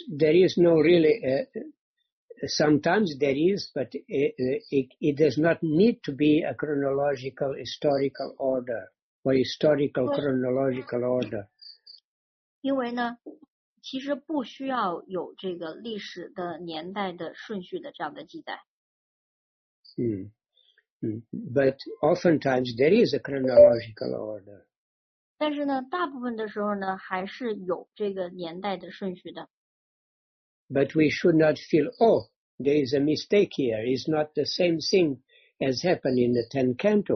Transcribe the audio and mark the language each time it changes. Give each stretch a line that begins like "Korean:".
English: there is no really sometimes there is, but it does not need to be a chronological historical order or historical chronological order.
Chinese: 因为呢，其实不需要有这个历史的年代的顺序的这样的记载。
English: But oftentimes there is a chronological order.
Chinese: 但是呢，大部分的时候呢，还是有这个年代的顺序的。
English: But we should not feel, oh, there is a mistake here. It's not the same thing as happened in the 10th canto.